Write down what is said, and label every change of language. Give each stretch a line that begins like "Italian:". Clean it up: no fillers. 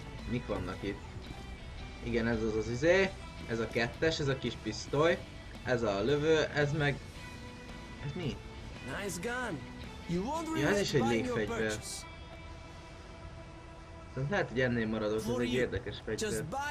Hungarian: Mik vannak itt? Igen, ez az az izé. Ez a kettes, ez a kis pisztoly, ez a lövő, ez meg Ez mi?
English: Nice gun. You won't regret your purchase.
Hungarian: Lehet, hogy ennél maradok, ez egy érdekes fegyver.